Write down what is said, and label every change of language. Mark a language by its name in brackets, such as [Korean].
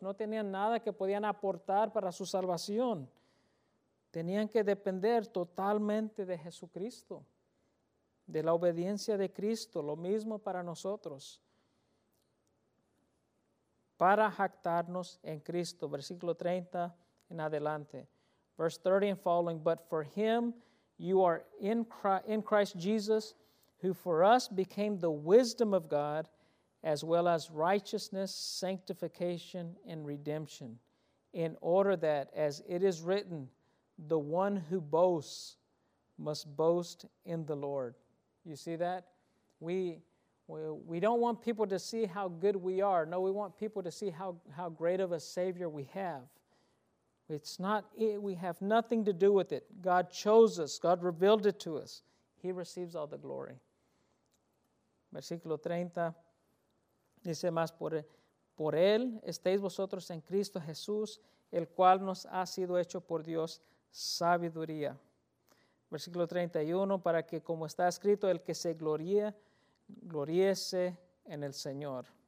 [Spanish] No tenían nada que podían aportar para su salvación. Tenían que depender totalmente de Jesucristo, de la obediencia de Cristo. Lo mismo para nosotros, para jactarnos en Cristo. Versículo 30 en adelante. [English] Verse 30 and following. But for him you are in Christ Jesus, who for us became the wisdom of God, as well as righteousness, sanctification, and redemption, in order that, as it is written, the one who boasts must boast in the Lord. You see that? We don't want people to see how good we are. No, we want people to see how great of a Savior we have. We have nothing to do with it. God chose us. God revealed it to us. He receives all the glory. [Spanish] Versículo 30 dice más, por él estéis vosotros en Cristo Jesús, el cual nos ha sido hecho por Dios sabiduría. Versículo 31, para que como está escrito, el que se gloría, gloríese en el Señor.